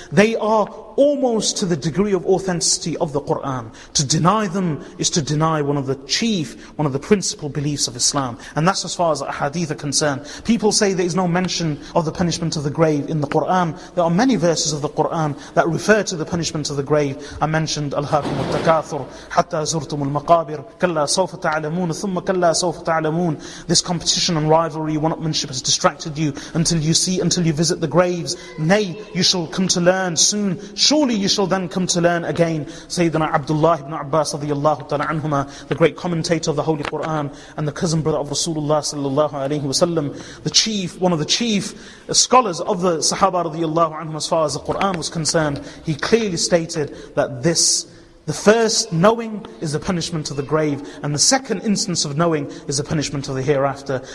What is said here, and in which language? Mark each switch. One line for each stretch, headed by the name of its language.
English: They are almost to the degree of authenticity of the Qur'an. To deny them is to deny one of the principal beliefs of Islam. And that's as far as ahadith are concerned. People say there is no mention of the punishment of the grave in the Qur'an. There are many verses of the Qur'an that refer to the punishment of the grave. I mentioned,
Arabic: أَلْهَاكُمُ التَّكَاثُرُ حَتَّى زُرْتُمُ الْمَقَابِرُ كَلَّا سَوْفَ تَعْلَمُونَ ثُمَّ كَلَّا سَوْفَ تَعْلَمُونَ.
English: This competition and rivalry, one-upmanship has distracted you until you visit the graves. Nay, you shall come to learn soon. Surely you shall then come to learn again. Sayyidina Abdullah ibn Abbas radiyallahu ta'ala anhuma, the great commentator of the Holy Quran and the cousin brother of Rasulullah sallallahu alayhi wa sallam, one of the chief scholars of the Sahaba radiyallahu anhum as far as the Quran was concerned, he clearly stated that the first knowing is the punishment of the grave, and the second instance of knowing is the punishment of the hereafter.